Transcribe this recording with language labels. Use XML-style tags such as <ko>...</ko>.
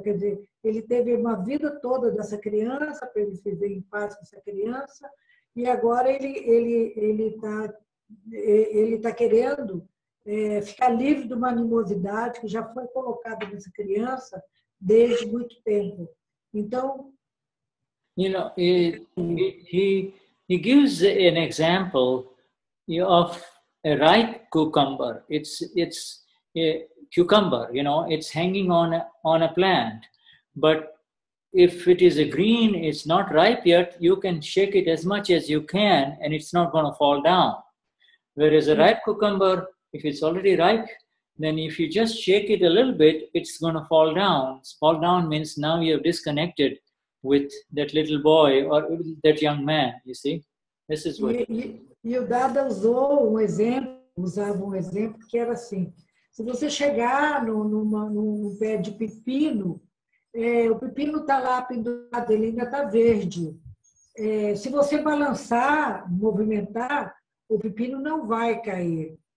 <pt>Quer dizer, ele teve uma vida toda dessa criança, para ele viver em paz com essa criança, e agora ele tá querendo ficar livre de uma animosidade que já foi colocada nessa criança desde muito tempo. Então,</pt> <en>you know, he gives an example of a ripe cucumber. It's a cucumber, you know, it's hanging on a plant. But if it is a green, it's not ripe yet, you can shake it as much as you can and it's not going to fall down. Whereas a ripe cucumber, if it's already ripe, then if you just shake it a little bit, it's going to fall down. Fall down means now you have disconnected with that little boy or that young man, you see? This is what...</en> <pt>E o Dada usava um exemplo que era assim. Se você chegar num pé de pepino, o pepino está lá pendurado, ele ainda está verde. Se você balançar, movimentar, o pepino não vai cair.</pt>